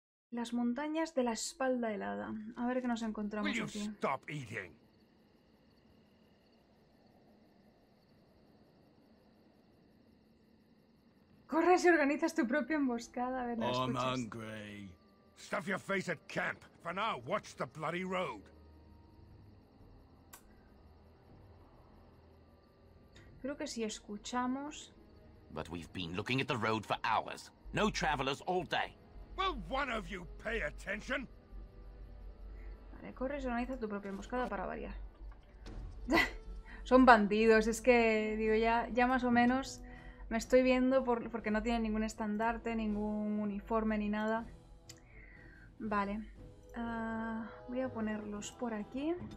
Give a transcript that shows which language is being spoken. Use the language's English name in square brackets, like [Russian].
[Spanish] Las montañas de la espalda helada. A ver qué nos encontramos aquí. [English] Stop eating. [Spanish] Corre y organizas tu propia emboscada. A ver, ¿no escuchas? [English] I'm hungry. Stuff your face at camp. For now, watch the bloody road. [Spanish] Creo que si escuchamos. [English] But we've been looking at the road for hours. No travelers all day. Will one of you pay attention? [Spanish] Vale, corre y organiza tu propia emboscada para variar. Son bandidos, es que digo ya más o menos me estoy viendo porque no tienen ningún estandarte, ningún uniforme ni nada. Vale. Voy a ponerlos por aquí.